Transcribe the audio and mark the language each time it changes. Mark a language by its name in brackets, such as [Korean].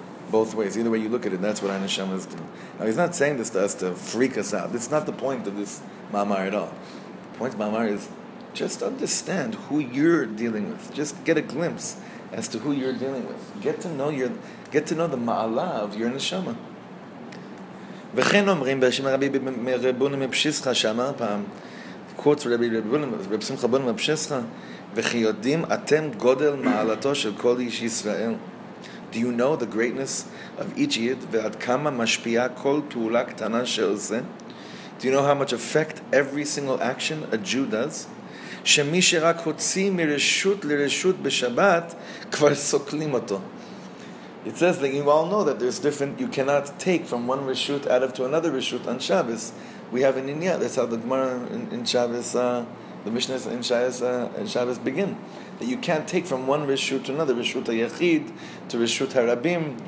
[English] Both ways, either way you look at it, that's what our neshamas do. Now he's not saying this to us to freak us out. It's not the point of this mamar at all. The point of mamar is just understand who you're dealing with. Just get a glimpse as to who you're dealing with. Get to know the ma'ala of your neshama. [Hebrew] וכן אומרים בשם רבי רבונם מפשיסחה שאמר פעם קורץ רבי רבונם רבי שמחה בונם מפשיסחה וכי יודעים אתם גודל מעלתו של כל איש ישראל. [English] Do you know the greatness of each yid [Hebrew] ועד כמה משפיעה כל פעולה קטנה שעושה? [English] Do you know how much effect every single action a Jew does? [Hebrew] שמי שרק הוציא מרשות לרשות בשבת כבר סוקלים אותו. [English] It says that you all know that there's different, you cannot take from one reshut out of to another reshut on Shabbos. We have an inyan, that's how the Gemara in Shabbos, the Mishnah in Shabbos begin. That you can't take from one reshut to another, reshut ha-yachid, to reshut ha-rabim.